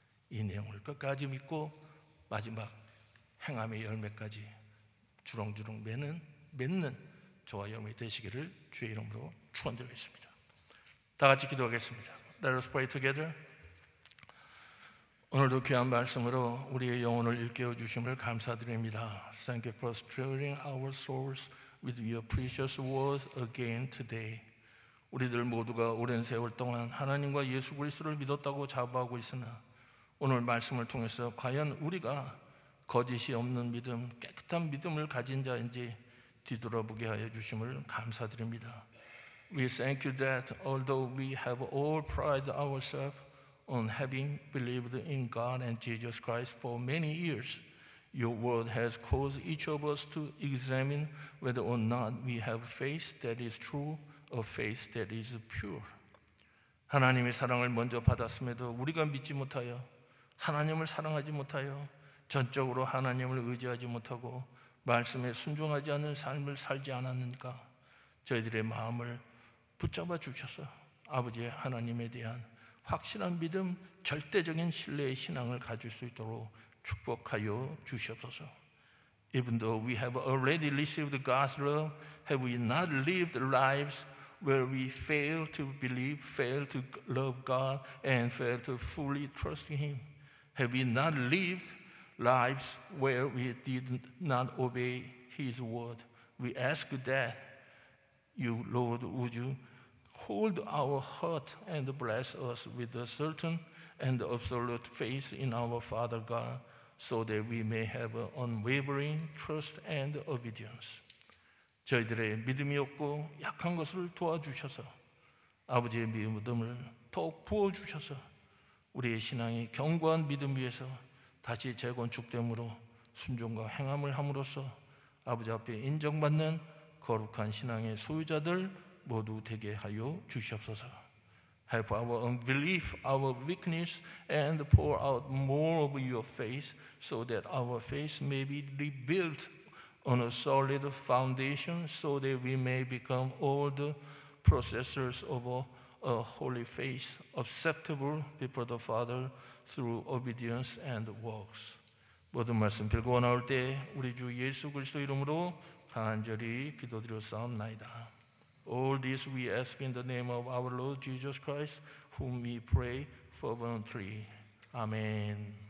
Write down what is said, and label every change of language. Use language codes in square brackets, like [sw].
[ko] 이 내용을 끝까지 믿고 마지막 행함의 열매까지 주렁주렁 맺는 저와 여러분이 되시기를 주의 이름으로 축원드리겠습니다. 다 같이 기도하겠습니다. [en] Let us pray together. [ko] 오늘도 귀한 말씀으로 우리의 영혼을 일깨워 주심을 감사드립니다. [en] Thank you for stirring our souls with your precious words again today. [ko] 우리들 모두가 오랜 세월 동안 하나님과 예수 그리스도를 믿었다고 자부하고 있으나 오늘 말씀을 통해서 과연 우리가 거짓이 없는 믿음, 깨끗한 믿음을 가진 자인지 뒤돌아보게 하여 주심을 감사드립니다. [en] We thank you that although we have all prided ourselves on having believed in God and Jesus Christ for many years, your word has caused each of us to examine whether or not we have faith that is true, a faith that is pure. [ko] 하나님의 사랑을 먼저 받았음에도 우리가 믿지 못하여 하나님을 사랑하지 못하여 전적으로 하나님을 의지하지 못하고 말씀에 순종하지 않는 삶을 살지 않았는가? 저희들의 마음을 붙잡아 주셔서 아버지 하나님에 대한 확실한 믿음, 절대적인 신뢰의 신앙을 가질 수 있도록 축복하여 주시옵소서. [en] Even though we have already received God's love, have we not lived lives where we fail to believe, fail to love God, and fail to fully trust Him? Have we not lived lives where we did not obey His word? We ask that you, Lord, would you hold our heart and bless us with a certain and absolute faith in our Father God, so that we may have an unwavering trust and obedience. [ko] 저희들의 믿음이 없고 약한 것을 도와주셔서 아버지의 믿음을 더욱 부어주셔서 우리의 신앙이 견고한 믿음 위에서 다시 재건축됨으로 순종과 행함을 함으로써 아버지 앞에 인정받는 거룩한 신앙의 소유자들 모두 되게 하여 주시옵소서. [en] Help our unbelief, our weakness, and pour out more of your faith so that our faith may be rebuilt on a solid foundation so that we may become all the possessors of a holy face, acceptable before the Father through obedience and works. [ko] 모든 말씀 빌고 나올 때 우리 주 예수 그리스도 이름으로 간절히 기도드렸사옵나이다. [en] All this we ask in the name of our Lord Jesus Christ, whom we pray fervently. Amen.